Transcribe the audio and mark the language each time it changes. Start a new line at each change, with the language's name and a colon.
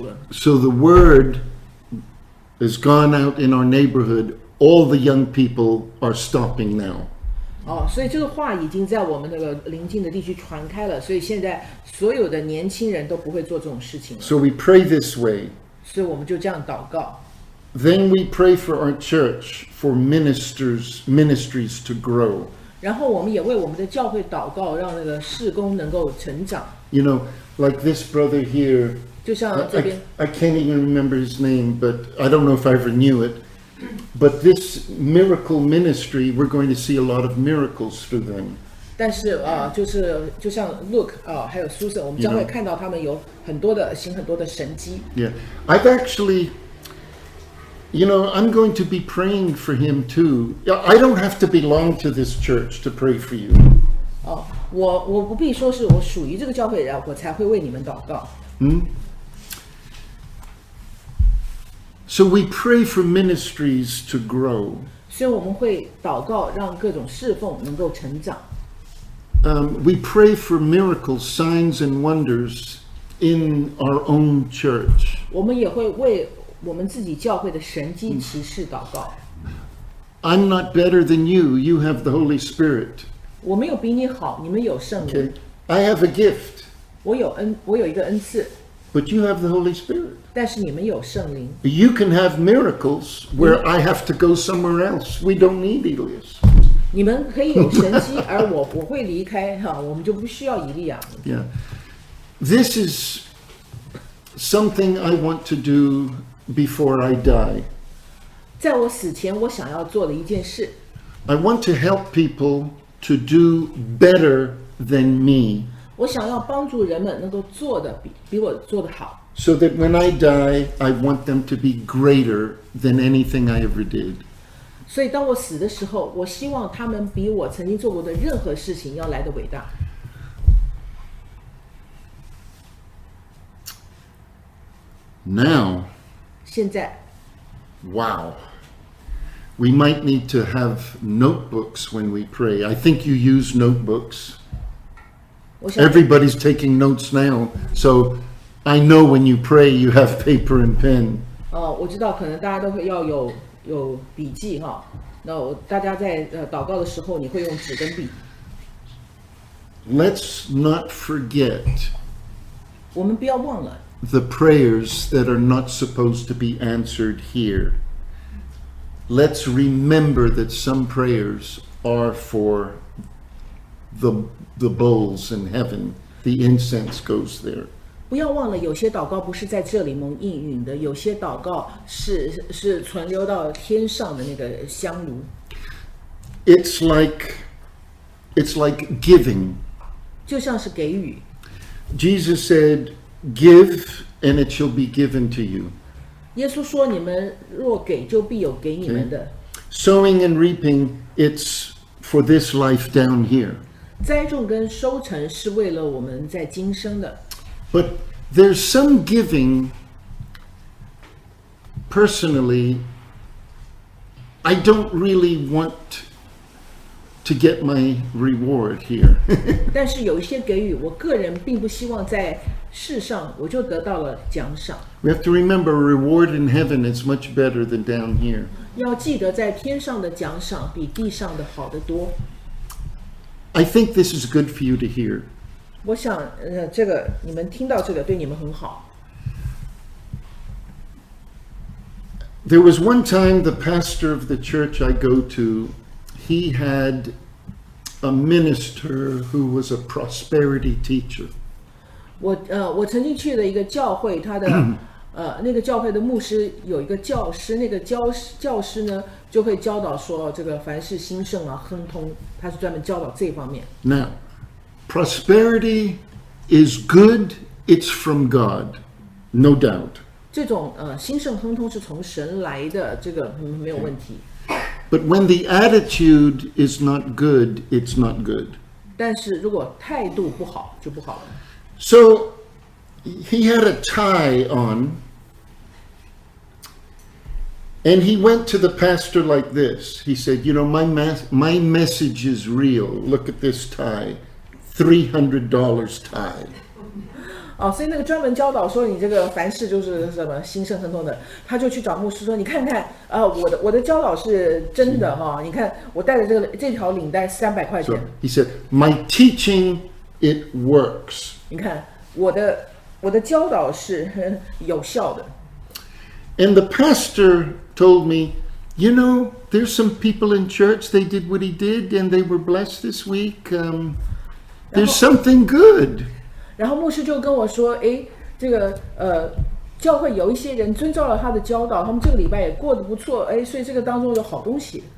English: So the word has gone out in our neighborhood. All the young people are stopping now.
Chinese: 哦，所以这个话已经在我们那个邻近的地区传开了。所以现在所有的年轻人都不会做这种事情。
English: So we pray this way.
Chinese: 所以我们就这样祷告。
English: Then we pray for our church for ministries to grow.
Chinese: 然后我们也为我们的教会祷告，让那个事工能够成长。
English: You know. Like this brother here,
Chinese: 就像这边
English: I can't even remember his name, but I don't know if I ever knew it. But this miracle ministry, we're going to see a lot of miracles through them.
Chinese: 但是就像 Look 还有 Susan, 我们将会看到他们有很多的行很多的神迹。
English: Yeah, I've actually, you know, I'm going to be praying for him too. I don't have to belong to this church to pray for you. Oh.
Chinese: 我不必说是我属于这个教会的人，我才会为你们祷告。
English: So we pray for ministries to grow.
Chinese: 所以我们会祷告，让各种侍奉能够成长。
English: We pray for miracles, signs, and wonders in our own church.
Chinese: 我们也会为我们自己教会的神迹奇事祷告。
English: I'm not better than you. You have the Holy Spirit.
Chinese: 我没有比你好，你们有圣灵。
English: Okay. I have a gift.
Chinese: 我有一个恩赐。
English: But you have the Holy Spirit.
Chinese: 但是你们有圣灵。
English: You can have miracles where I have to go somewhere else. We don't need Elias.
Chinese: 你们可以有神迹，而我会离开哈，我们就不需要以利亚。
English: Yeah. This is something I want to do before I die.
Chinese: 在我死前，我想要做的一件事。
English: I want to help people. To do better than me.
Chinese: 我想要帮助人们能够做的比我做的好。
English: So that when I die, I want them to be greater than anything I ever did.
Chinese: 所以当我死的时候，我希望他们比我曾经做过的任何事情要来的伟大。
English: Now.
Chinese: 现在。
English: Wow. We might need to have notebooks when we pray. I think you use notebooks. Everybody's taking notes now, so I know when you pray, you have paper and pen.
Chinese: 哦，我知道，可能大家都会要有笔记哈。那大家在祷告的时候，你会用纸跟笔。
English: Let's not forget.
Chinese: 我们不要忘了。
English: The prayers that are not supposed to be answered here. Let's remember that some prayers are for the bowls in heaven. The incense goes there.
Chinese: 不要忘了，有些祷告不是在这里蒙应允的，有些祷告是存留到天上的那个香炉。
English: It's like giving.
Chinese: 就像是给予。
English: Jesus said, "Give, and it shall be given to you."
Chinese: 耶稣说你们若给就必有给你们的。
English: Sowing and reaping, it's for this life down here.
Chinese: 栽种跟收成是为了我们在今生的。
English: But there's some giving, personally, I don't really want to get my reward here.
Chinese: 但是有一些给予我个人并不希望在世上我就得到了奖赏。
English: We have to remember reward in heaven is much better than down here.
Chinese: 要记得在天上的奖赏比地上的好得多。
English: I think this is good for you to hear.
Chinese: 我想这个你们听到这个对你们很好。
English: There was one time the pastor of the church I go to, he had a minister who was a prosperity teacher.
Chinese: 我曾经去了一个教会，他的那个教会的牧师有一个教师，那个教师呢就会教导说这个凡事兴盛啊，亨通，他是专门教导这方面。
English: Now, prosperity is good, it's from God, no doubt.
Chinese: 这种兴盛亨通是从神来的，这个没有问题。
English: But when the attitude is not good, it's not good.
Chinese: 但是如果态度不好就不好了。
English: So, he had a tie on, and he went to the pastor like this. He said, you know, my message is real. Look at this tie, $300 tie.
Chinese: 哦，所以那个专门教导说你这个凡事就是什么兴盛亨通的，他就去找牧师说：“你看看，我的教导是真的哈、哦，你看我带着这条领带300块钱。”
English: So, he said, "My teaching it works."
Chinese: 你看我的教导是有效的。
English: And the pastor told me, "You know, there's some people in church. They did what he did, and they were blessed this week. There's something good."
Chinese: 然后牧师就跟我说，哎，这个教会有一些人遵照了他的教导，他们这个礼拜也过得不错，哎，所以这个当中有好东西。